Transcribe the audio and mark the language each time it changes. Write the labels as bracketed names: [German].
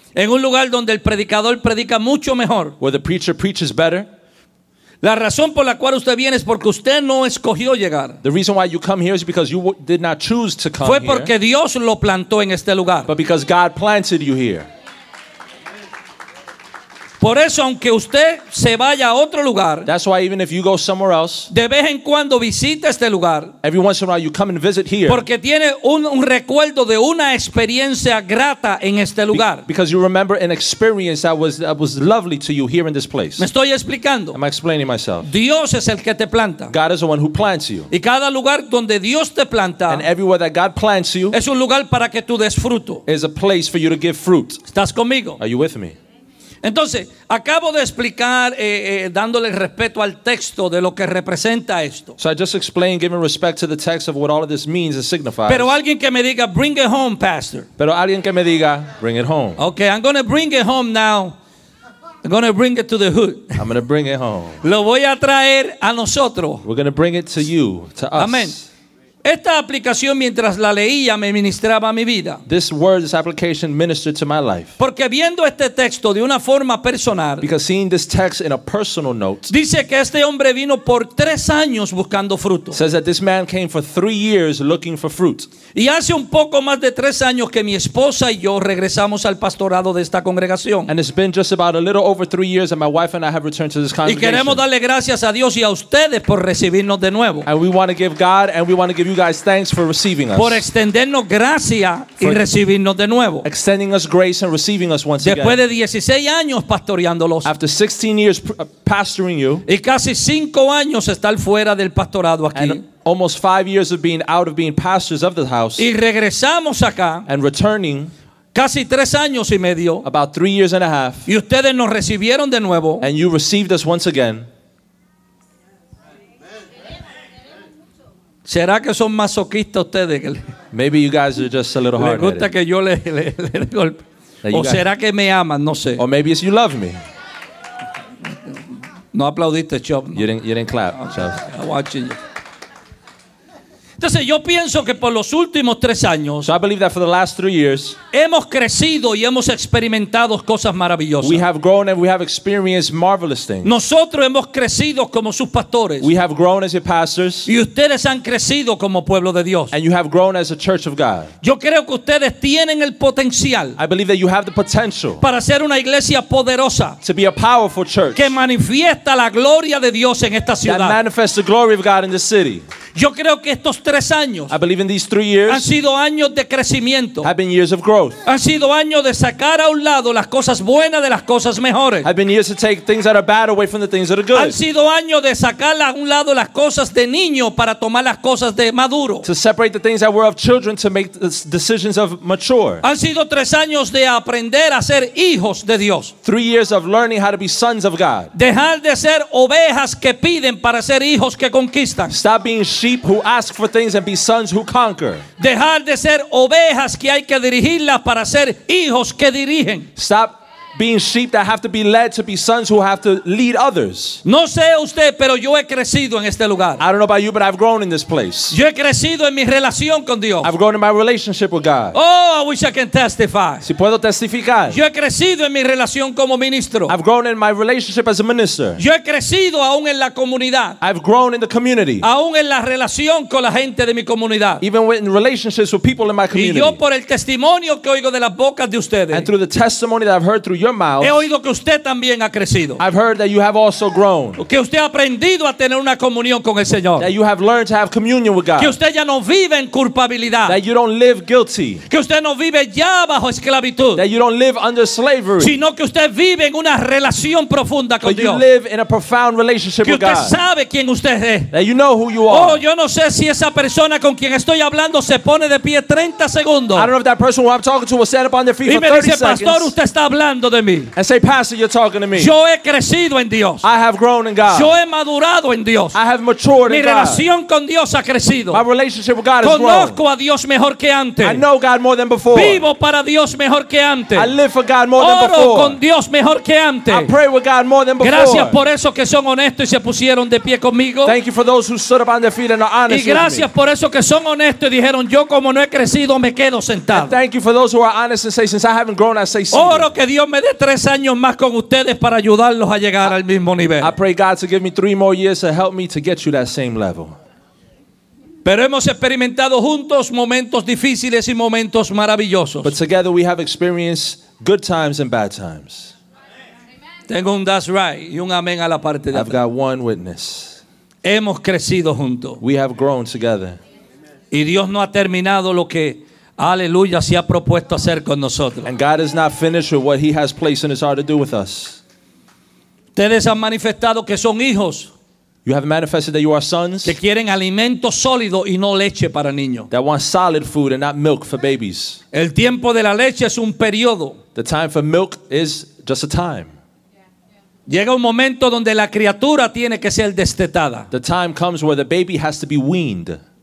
[Spanish] En un lugar donde el predicador predica mucho mejor. [English] Where the preacher preaches better. [Spanish] La razón por la cual usted viene es porque usted no escogió llegar. [English] The reason why you come here is because you did not choose to come here. [Spanish] Fue porque Dios lo plantó en este lugar. [English] But because God planted you here. [Spanish] Por eso, aunque usted se vaya a otro lugar, [English] that's why even if you go somewhere else, [Spanish] de vez en cuando visita este lugar, [English] every once in a while you come and visit here, [Spanish] porque tiene un recuerdo de una experiencia grata en este lugar. [English] Because you remember an experience that was lovely to you here in this place. [Spanish] ¿Me estoy explicando? [English] Am I explaining myself? [Spanish] Dios es el que te planta. [English] God is the one who plants you. [Spanish] Y cada lugar donde Dios te planta, [English] and everywhere that God plants you, [Spanish] es un lugar para que tú des fruto. [English] Is a place for you to give fruit. [Spanish] ¿Estás conmigo? [English] Are you with me? [Spanish] Entonces, acabo de explicar, dándole respeto al texto de lo que representa esto. [English] So I just explained, giving respect to the text of what all of this means and signifies. [Spanish] Pero alguien que me diga, [English] bring it home, [Spanish] pastor. Pero alguien que me diga, [English] bring it home. Okay, I'm going to bring it home now. I'm going to bring it to the hood. I'm going to bring it home. [Spanish] Lo voy a traer a nosotros. [English] We're going to bring it to you, to us. Amen. [Spanish] Esta aplicación mientras la leía me ministraba mi vida. [English] This word, this application ministered to my life. [Spanish] Porque viendo este texto de una forma personal. [English] Because seeing this text in a personal note. [Spanish] Dice que este hombre vino por 3 años buscando fruto. [English] Says that this man came for 3 years looking for fruit. [Spanish] Y hace un poco más de 3 años que mi esposa y yo regresamos al pastorado de esta congregación. [English] And it's been just about a little over 3 years that my wife and I have returned to this congregation. [Spanish] Y queremos darle gracias a Dios y a ustedes por recibirnos de nuevo. [English] And we want to give God and we want to give you guys thanks for receiving us. [Spanish] Por extendernos gracia y recibirnos de nuevo. [English] Extending us grace and receiving us once [Spanish] después [English] again. [Spanish] Después de 16 años pastoreándolos. [English] After 16 years pastoring you. [Spanish] Y casi 5 años estar fuera del pastorado aquí. [English] And almost 5 years of being out of being pastors of the house. [Spanish] Y regresamos acá. [English] And returning. [Spanish] Casi 3 años y medio. [English] About 3 years and a half. [Spanish] Y ustedes nos recibieron de nuevo. [English] And you received us once again. [Spanish] ¿Será que son masoquistas ustedes? [English] Maybe you guys are just a little hard-headed. [Spanish] ¿Le gusta que yo le dé golpe? ¿O será que me aman? No sé. [English] Or maybe it's you love me. [Spanish] No aplaudiste, Chop. No. [English] You didn't clap, Chop. I'm watching you. [Spanish] Entonces yo pienso que por los últimos 3 años, [English] so I believe that for the last 3 years, [Spanish] hemos crecido y hemos experimentado cosas maravillosas. [English] We have grown and we have experienced marvelous things. [Spanish] Nosotros hemos crecido como sus pastores. [English] We have grown as your pastors. [Spanish] Y ustedes han crecido como pueblo de Dios. [English] And you have grown as a church of God. [Spanish] Yo creo que ustedes tienen el potencial. [English] I believe that you have the potential. [Spanish] Para ser una iglesia poderosa. [English] To be a powerful church. [Spanish] Que manifiesta la gloria de Dios en esta ciudad. [English] That manifests the glory of God in this city. [Spanish] Yo creo que estos 3 años, [English] I believe in these 3 years, [Spanish] han sido años de crecimiento, [English] have been years of growth, [Spanish] han sido años de sacar a un lado las cosas buenas de las cosas mejores, [English] have been years to take things that are bad away from the things that are good, [Spanish] han sido años de sacar a un lado las cosas de niño para tomar las cosas de maduro, [English] to separate the things that were of children to make decisions of mature, [Spanish] han sido 3 años de aprender a ser hijos de Dios, [English] 3 years of learning how to be sons of God, [Spanish] dejar de ser ovejas que piden para ser hijos que conquistan, [English] stop being sheep who ask for things and be sons who conquer. [Spanish] Dejar de ser ovejas que hay que dirigirlas para ser hijos que dirigen. [English] Stop being sheep that have to be led to be sons who have to lead others. [Spanish] No sé usted, pero yo he crecido en este lugar. [English] I don't know about you, but I've grown in this place. [Spanish] Yo he crecido en mi relación con Dios. [English] I've grown in my relationship with God. Oh, I wish I can testify. [Spanish] Si puedo testificar. Yo he crecido en mi relación como ministro. [English] I've grown in my relationship as a minister. [Spanish] Yo he crecido aún en la comunidad. [English] I've grown in the community. [Spanish] Aún en la relación con la gente de mi comunidad. [English] Even in relationships with people in my community. [Spanish] Y yo por el testimonio que oigo de las bocas de ustedes. [English] And through the testimony that I've heard through your mouth, [Spanish] he oído que usted también ha crecido. [English] I've heard that you have also grown. [Spanish] Que usted ha aprendido a tener una comunión con el Señor. [English] That you have learned to have communion with God. [Spanish] Que usted ya no vive en culpabilidad. [English] That you don't live guilty. [Spanish] Que usted no vive ya bajo esclavitud. [English] That you don't live under slavery. [Spanish] Sino que usted vive en una relación profunda con Dios. [English] That you live in a profound relationship with God. [Spanish] Que usted sabe quién usted es. [English] That you know who you are. [Spanish] Oh, yo no sé si esa persona con quien estoy hablando se pone de pie 30 segundos. [English] I don't know if that person who I'm talking to will stand up on their feet for 30 seconds. [Spanish] Pastor, usted está hablando de mí. [English] And say, Pastor, you're talking to me. [Spanish] Yo he crecido en Dios. [English] I have grown in God. [Spanish] Yo he madurado en Dios. [English] I have matured [Spanish] mi Mi relación con Dios ha crecido. [English] My relationship with God [Spanish] conozco [English] has grown. [Spanish] Conozco a Dios mejor que antes. [English] I know God more than before. [Spanish] Vivo para Dios mejor que antes. [English] I live for God more [Spanish] Oro [English] than before. [Spanish] Oro con Dios mejor que antes. [English] I pray with God more than before. [Spanish] Gracias por eso que son honestos y se pusieron de pie conmigo. [English] Thank you for those who stood up on their feet and are honest with me. [Spanish] Y gracias por eso que son honestos y dijeron, yo como no he crecido me quedo sentado. [English] And thank you for those who are honest and say, since I haven't grown, I say, [Spanish] Oro que Dios me dé 3 años más con ustedes para ayudarlos a llegar al mismo nivel. [English] I pray God to give me 3 more years to help me to get you that same level. [Spanish] Pero hemos experimentado juntos momentos difíciles y momentos maravillosos. [English] But together we have experienced good times and bad times. [Spanish] Tengo un [English] that's right [Spanish] y un amén a la parte de atrás. [English] I've got one witness. [Spanish] Hemos crecido juntos. [English] We have grown together. [Spanish] Y Dios no ha terminado lo que Aleluya, se ha propuesto hacer con nosotros. [English] And God is not finished with what he has placed in his heart to do with us. [Spanish] Ustedes han manifestado que son hijos. [English] You have manifested that you are sons. [Spanish] Que quieren alimento sólido y no leche para niños. [English] That want solid food and not milk for babies. [Spanish] El tiempo de la leche es un periodo. [English] The time for milk is just a time. [Spanish] Llega un momento donde la criatura tiene que ser destetada. [English] The time comes where the baby has to be weaned.